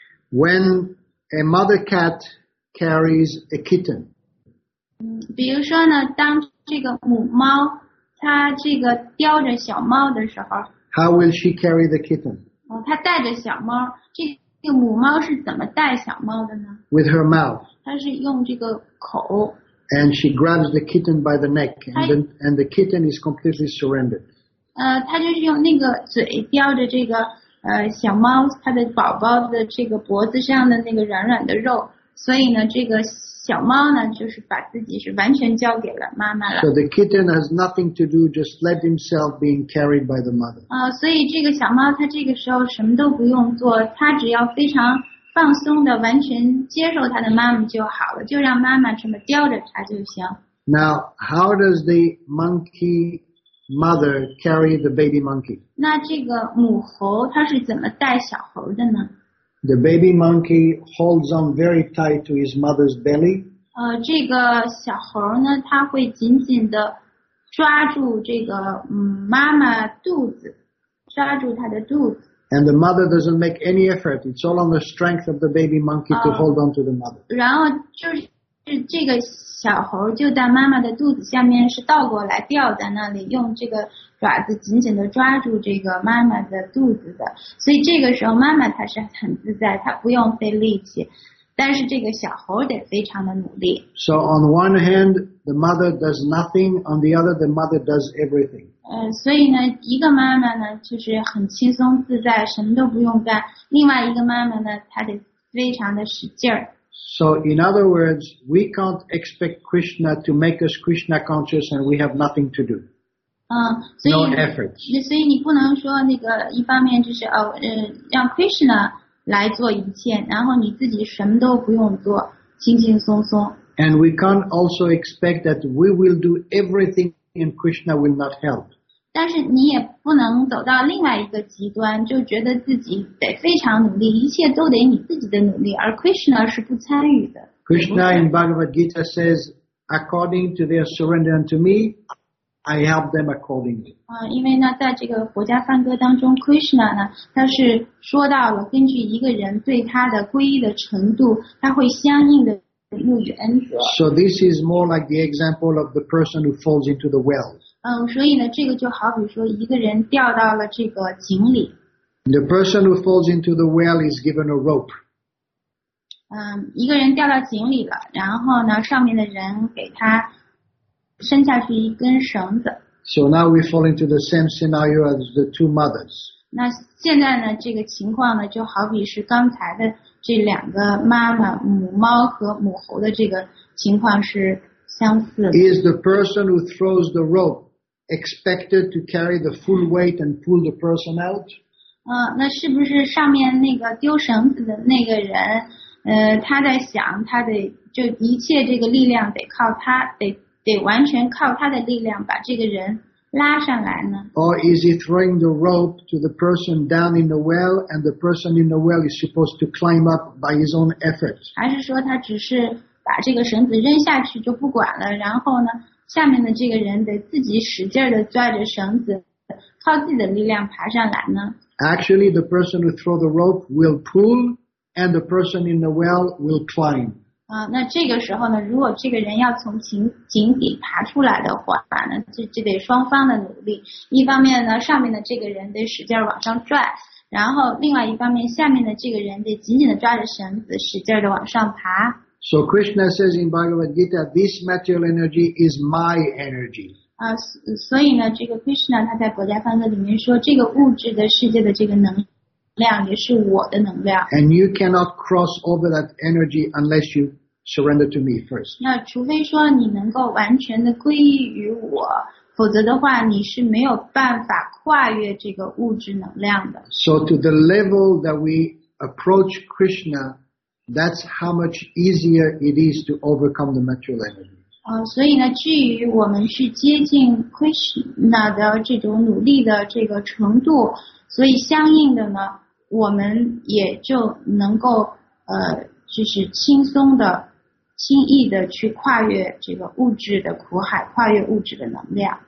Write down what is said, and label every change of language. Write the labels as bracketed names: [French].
[English] When a mother cat carries a kitten. [Chinese] 比如说呢，当这个母猫它这个叼着小猫的时候 [English] ，How will she carry the kitten? [Chinese] 她带着小猫，这个母猫是怎么带小猫的呢 [English] ？With her mouth. [Chinese] 她是用这个口。 [English] And she grabs the kitten by the neck, and the kitten is completely surrendered. [Chinese] 她就是用那个嘴叼着这个小猫，她的宝宝的这个脖子上的那个软软的肉，所以呢，这个小猫呢，就是把自己是完全交给了妈妈了。 [English] So the kitten has nothing to do, just let himself being carried by the mother. [Chinese] 所以这个小猫它这个时候什么都不用做，它只要非常放松的完全接受它的妈妈就好了，就让妈妈这么叼着它就行。 [English] Now, how does the monkey mother carry the baby monkey? [Chinese] 那这个母猴它是怎么带小猴的呢？ [English] The baby monkey holds on very tight to his mother's belly. [Chinese] 这个小猴呢，它会紧紧的抓住这个妈妈肚子，抓住它的肚子。 [English] And the mother doesn't make any effort. It's all on the strength of the baby monkey to hold on to the mother. [Chinese] 然后就是这个小猴就在妈妈的肚子下面是倒过来吊在那里，用这个爪子紧紧地抓住这个妈妈的肚子的，所以这个时候妈妈她是很自在，她不用费力气，但是这个小猴得非常的努力。 [English] So on one hand, the mother does nothing. On the other, the mother does everything. [Chinese] 所以呢，一个妈妈呢就是很轻松自在，什么都不用干；另外一个妈妈呢，她得非常的使劲儿。 [English] So in other words, we can't expect Krishna to make us Krishna conscious, and we have nothing to do. No efforts. [Chinese] 所以你不能说那个一方面就是让 Krishna 来做一切，然后你自己什么都不用做，轻轻松松。 [English] And we can't also expect that we will do everything and Krishna will not help. [Chinese] 但是你也不能走到另外一个极端，就觉得自己得非常努力，一切都得你自己的努力，而 Krishna 是不参与的。 [English] Krishna in Bhagavad Gita says, according to their surrender unto me. I help them accordingly. [Chinese] 因为呢，在这个《国家梵歌》当中 ，Krishna 呢，他是说到了根据一个人对他的皈依的程度，他会相应的赐予恩泽。 [English] So this is more like the example of the person who falls into the well. [Chinese] 所以呢，这个就好比说一个人掉到了这个井里。 The person who falls into the well is given a rope. 一个人掉到井里了，然后呢，上面的人给他。伸下去一根绳子。 [English] So now we fall into the same scenario as the two mothers. [Chinese] 那现在呢这个情况呢就好比是刚才的这两个妈妈母猫和母猴的这个情况是相似的。 [English] Is the person who throws the rope expected to carry the full weight and pull the person out? [Chinese] 那是不是上面那个丢绳子的那个人他在想他得就一切这个力量得靠他得完全靠他的力量把这个人拉上来呢 [English] Or is he throwing the rope to the person down in the well and the person in the well is supposed to climb up by his own effort? [Chinese] 还是说他只是把这个绳子扔下去就不管了然后呢下面的这个人得自己使劲地拽着绳子靠自己的力量爬上来呢 [English] Actually, the person who throw the rope will pull and the person in the well will climb. [Chinese] 那这个时候呢如果这个人要从井底爬出来的话呢就得双方的努力。一方面呢上面的这个人得使劲往上拽然后另外一方面下面的这个人得紧紧地抓着绳子使劲地往上爬。 [English] So Krishna says in Bhagavad Gita, this material energy is my energy. [Chinese] 所以呢这个 Krishna 他在佛家梵歌里面说这个物质的世界的这个能量也是我的能量。 [English] And you cannot cross over that energy unless you surrender to me first. [Chinese] 那除非说你能够完全的皈依于我否则的话你是没有办法跨越这个物质能量的。 [English] So to the level that we approach Krishna,That's how much easier it is to overcome the material energy. [Chinese] 所以呢，至于我们是接近 Krishna 的这种努力的这个程度，所以相应的呢，我们也就能够就是轻松的、轻易的去跨越这个物质的苦海，跨越物质的能量。